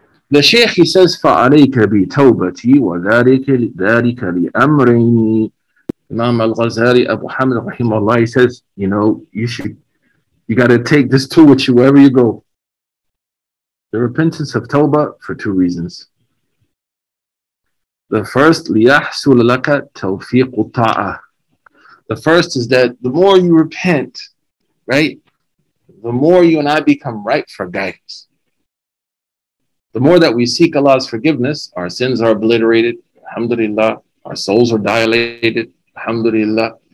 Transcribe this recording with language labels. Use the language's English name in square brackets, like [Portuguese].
[English] The Sheikh, he says, [Arabic] فَعَلَيْكَ بِتَوْبَتِي وَذَلِكَ لِأَمْرَيْنِ. [English] Imam al-Ghazzali, Abu Hamid rahimahullah, he says, you know, you got to take this tool with you wherever you go. The repentance of tawbah for two reasons. The first, [Arabic] لِيَحْسُلَ لَكَ تَوْفِيقُ الطَّاعَةِ. [English] The first is that the more you repent, right, the more you and I become right for guidance. The more that we seek Allah's forgiveness, our sins are obliterated, alhamdulillah, our souls are dilated, alhamdulillah.